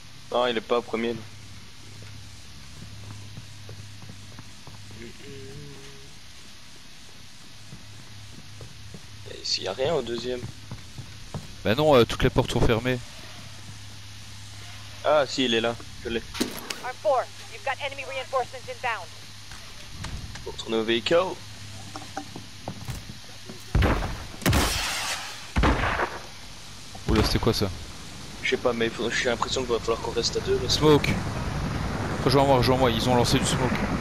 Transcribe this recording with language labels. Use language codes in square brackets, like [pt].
[fr] Non, il est pas au premier. Non. Y'a rien au deuxième. Bah non, toutes les portes sont fermées. Ah si, il est là, je l'ai. [en] Arm 4, you've got enemy reinforcements inbound. [fr] Faut retourner au véhicule. Oula, c'était quoi ça? Je sais pas, mais faut... j'ai l'impression qu'il va falloir qu'on reste à deux. Là, [en] smoke! [fr] Rejoins-moi, ils ont lancé du smoke.